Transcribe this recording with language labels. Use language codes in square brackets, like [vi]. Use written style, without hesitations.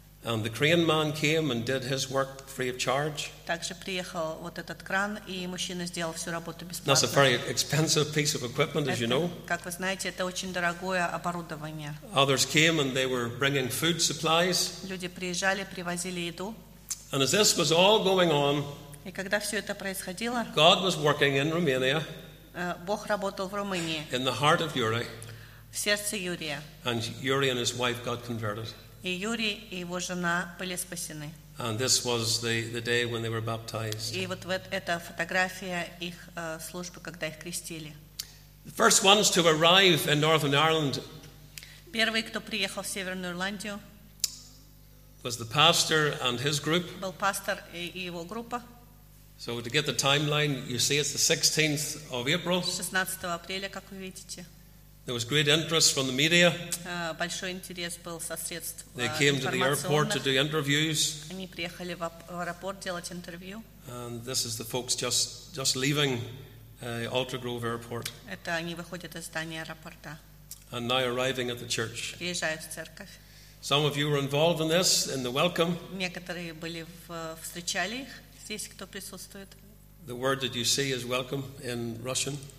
[en] And the crane man came and did his work free of charge. [ru] Также приехал вот этот кран, и мужчина сделал всю работу бесплатно. [en] That's a very expensive piece of equipment, as you know. [ru] Как вы знаете, это очень дорогое оборудование. [en] Others came and they were bringing food supplies. [ru] Люди приезжали, привозили еду. [en] And as this was all going on, [ru] и когда все это происходило, [en] God was working in Romania. [ru] Бог работал в Румынии. [en] In the heart of Yuri. [ru] В сердце Юрия. [en] And Yuri and his wife got converted. [ru] И Юрий и его жена были спасены. [en] And this was the day when they were baptized. [ru] И вот эта фотография их службы, когда их крестили. [en] The first ones to arrive in Northern Ireland. [ru] Первый, кто приехал в Северную Ирландию. [en] Was the pastor and his group. [ru] Был пастор и его группа. [en] So to get the timeline, you see it's the 16th of April. [ru] 16 апреля, как вы видите. [en] There was great interest from the media. [ru] Большой интерес был со средств. [en] They came to the airport to do interviews. [ru] Они приехали в аэропорт делать интервью. [en] And this is the folks just leaving Alter Grove Airport. [ru] Это они выходят из здания аэропорта. [en] And now arriving at the church. [ru] Приезжают в церковь. [en] Some of you were involved in this, in the welcome. [ru] Некоторые были встречали их. Здесь кто присутствует? [en] The word that you see is welcome in Russian.